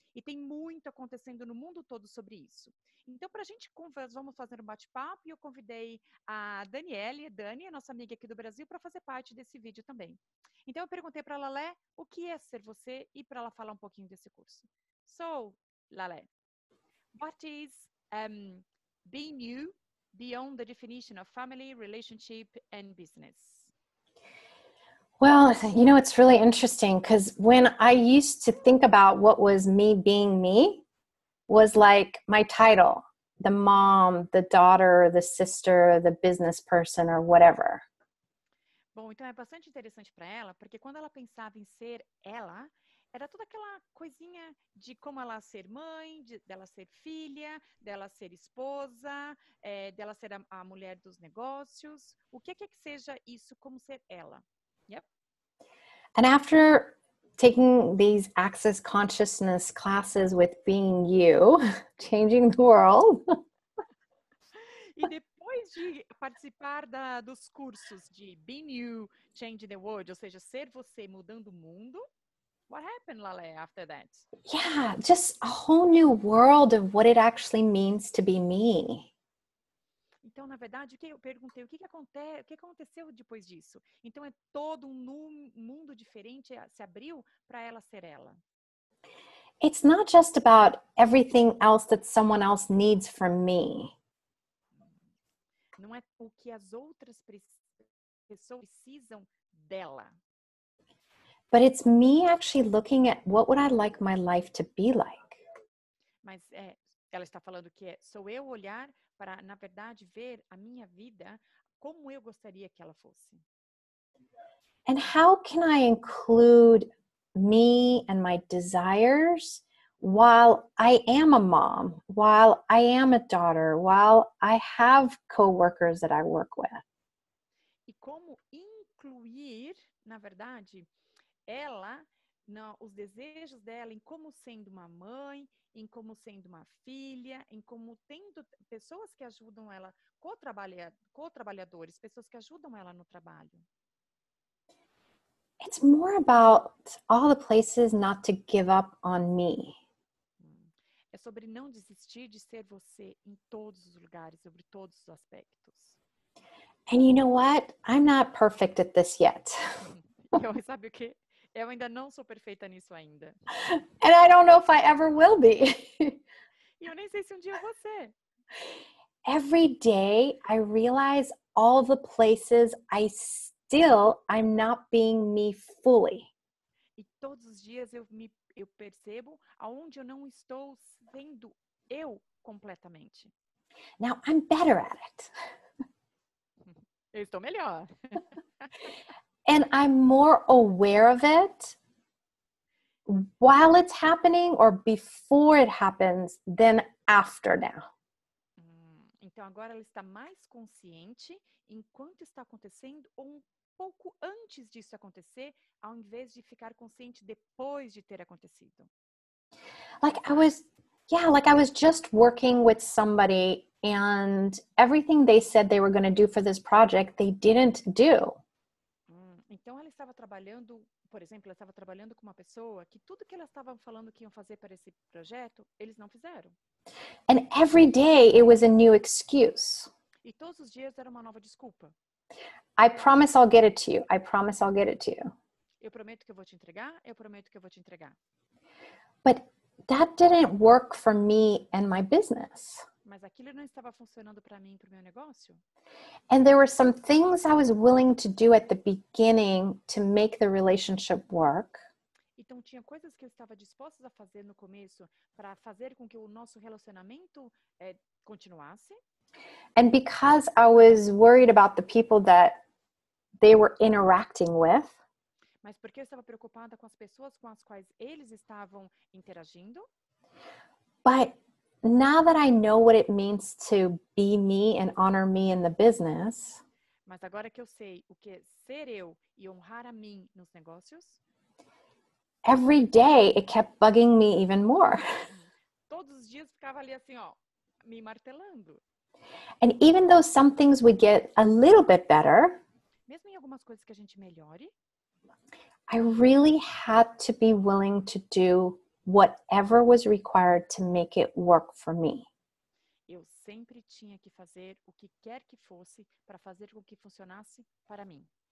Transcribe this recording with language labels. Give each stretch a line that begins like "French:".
Portuguese: E tem muito acontecendo no mundo todo sobre isso. Então, para a gente conversar, vamos fazer um bate-papo. E eu convidei a Daniele, a Dani, a nossa amiga aqui do Brasil, para fazer parte desse vídeo também. Então, eu perguntei para a Laleh o que é ser você e para ela falar um pouquinho desse curso.
English: So, Laleh. What is being you beyond the definition of family, relationship, and business? Well, you know, it's really interesting because when I used to think about what was me being me was like my title, the mom, the daughter, the sister, the business person, or whatever.
Portuguese: Bom, então é bastante interessante para ela, porque quando ela pensava em ser ela, era toda aquela coisinha de como ela ser mãe, dela ser filha, dela ser esposa, dela ser a mulher dos negócios. O que é que seja isso como ser ela?
English: Yep. And after taking these access consciousness classes with being you, changing the world.
Portuguese: E depois de participar dos cursos de
English: being you, changing the world,
Portuguese: ou seja, ser você mudando o mundo.
English: What happened, Laleh, after that? Yeah, just a whole new world of what it actually means to be me.
Portuguese: Então, na verdade, o que eu perguntei, o que aconteceu depois disso? Então, é todo um mundo diferente se abriu para ela ser ela.
English: It's not just about everything else that someone else needs from me.
Portuguese: Não é o que as outras pessoas precisam dela.
English: But it's me actually looking at what would I like my life to be like.
Portuguese: Mas ela está falando que sou eu olhar para, na verdade, ver a minha vida como eu gostaria que ela fosse.
English: And how can I include me and my desires while I am a mom, while I am a daughter, while I have coworkers that I work with?
Portuguese: E como incluir, na verdade, ela, não, os desejos dela em como sendo uma mãe, em como sendo uma filha, em como tendo pessoas que ajudam ela, co-trabalhadores, pessoas que ajudam ela no trabalho.
English: It's more about all the places not to give up on me.
Portuguese: É sobre não desistir de ser você em todos os lugares, sobre todos os aspectos.
English: And you know what? I'm not perfect at this yet.
Portuguese: Eu, sabe o quê? Eu ainda não sou perfeita nisso ainda.
English: And I don't know if I ever will be.
Portuguese: E eu nem sei se dia eu vou ser.
English: Every day I realize all the places I'm not being me fully.
Portuguese: E todos os dias eu percebo aonde eu não estou sendo eu completamente.
English: Now I'm better at it.
Portuguese: Eu estou melhor.
English: And I'm more aware of it while it's happening or before it happens than after now.
Portuguese: Então agora ela está mais consciente enquanto está acontecendo ou um pouco antes disso acontecer, ao invés de ficar consciente depois de ter acontecido.
English: Like I was just working with somebody and everything they said they were going to do for this project, they didn't do.
Portuguese: Então, ela estava trabalhando, por exemplo, ela estava trabalhando com uma pessoa que tudo que ela estava falando que iam fazer para esse projeto, eles não fizeram.
English: And every day it was a new excuse.
Portuguese: E todos os dias era uma nova desculpa.
English: I promise I'll get it to you. I promise I'll get it to you.
Portuguese: Eu prometo que eu vou te entregar. Eu prometo que eu vou te entregar.
English: But that didn't work for me and my business.
Portuguese: Mas aquilo não estava funcionando para mim e para o meu negócio.
English: And there were some things I was willing to do at the beginning to make the relationship work.
Portuguese: Então tinha coisas que eu estava disposta a fazer no começo para fazer com que o nosso relacionamento continuasse.
English: And because I was worried about the people that they were interacting with.
Portuguese: Mas porque eu estava preocupada com as pessoas com as quais eles estavam interagindo.
English: But now that I know what it means to be me and honor me in the business.
Portuguese: Mas agora que eu sei o que é ser eu e honrar a mim nos negócios.
English: Every day it kept bugging me even more.
Portuguese: Todos os dias ficava ali assim, ó, me martelando.
English: And even though some things would get a little bit better,
Portuguese: mesmo em algumas coisas que a gente melhore,
English: I really had to be willing to do whatever was required to make it work for me.
Portuguese: Eu sempre tinha que fazer o que quer que fosse para fazer com que funcionasse para mim.